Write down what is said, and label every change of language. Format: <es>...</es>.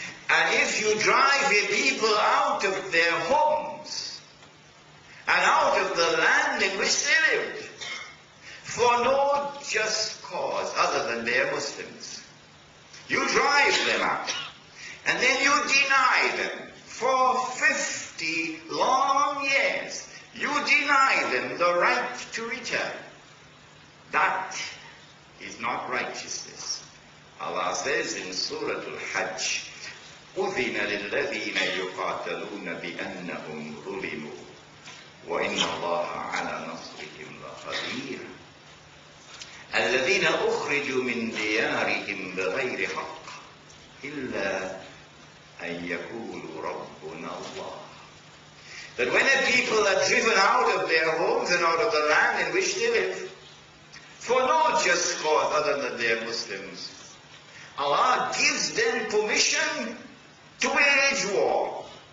<en>And if you drive a people out of their homes and out of the land in which they lived for no just cause other than they are Muslims, you drive them out and then you deny them for 50 long years, you deny them the right to return. That is not righteousness. Allah says in Surah Al-Hajj,</en> <ar>أذن للذين يقاتلون بأنهم ظلموا وإن الله على نصرهم لقدير. الذين أخرجوا من ديارهم بغير حق إلا أن يقولوا ربنا الله.</ar> <en>That when a people are driven out of their homes and out of the land in which they live for no just cause other than that they are Muslims, Allah gives them permission to wage war.</en>